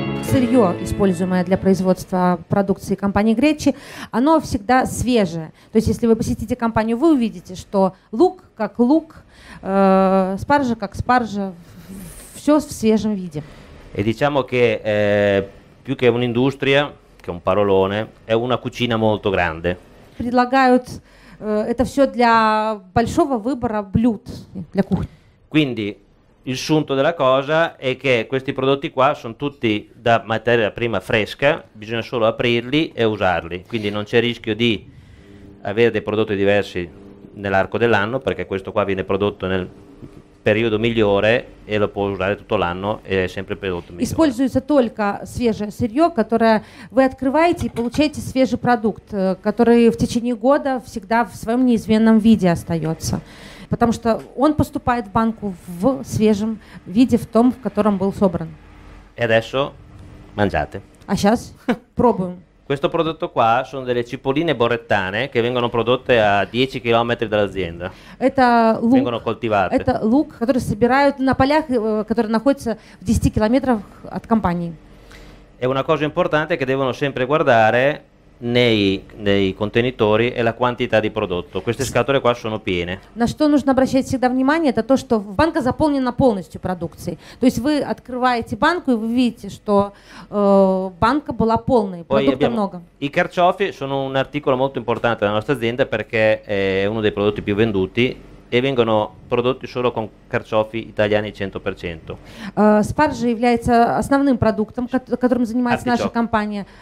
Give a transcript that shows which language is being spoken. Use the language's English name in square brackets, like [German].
[Russian] сырье, используемое для производства продукции компании Гречи, оно всегда свежее. То есть если вы посетите компанию, вы увидите, что лук как лук, спаржа как спаржа, все в свежем виде. [Italian] E diciamo che più che un'industria, che è un parolone, è una cucina molto grande. [Russian] Предлагают это все для большого выбора блюд для кухни. [Italian] Quindi il sunto della cosa è che questi prodotti qua sono tutti da materia prima fresca, bisogna solo aprirli e usarli, quindi non c'è rischio di avere dei prodotti diversi nell'arco dell'anno, perché questo qua viene prodotto nel periodo migliore e lo può usare tutto l'anno e è sempre il prodotto migliore. [Russian] Используется только свежее сырье, которое вы открываете и получаете свежий продукт, который в течение года всегда в своем неизменном виде остается. Потому что он поступает в банку в свежем виде, в том, в котором был собран. [Italian] E adesso mangiate. [Russian] А сейчас пробуем. [Italian] Questo prodotto qua sono delle cipolline borrettane che vengono prodotte a 10 km dall'azienda. [Russian] Это лук. [Italian] Vengono coltivate. [Russian] Это лук, который собирают на полях, которые находятся в 10 км от компании. [Italian] È una cosa importante che devono sempre guardare nei contenitori e la quantità di prodotto. Queste scatole qua sono piene. [Russian] На что нужно обращать всегда внимание, это то, что банка заполнена полностью продукцией. То есть вы открываете банку и вы видите, что банка была полной, продукта много. [Italian] I carciofi sono un articolo molto importante della nostra azienda perché è uno dei prodotti più venduti e vengono prodotti solo con carciofi italiani 100%. [Russian] Спаржа является основным продуктом, которым занимается наша компания.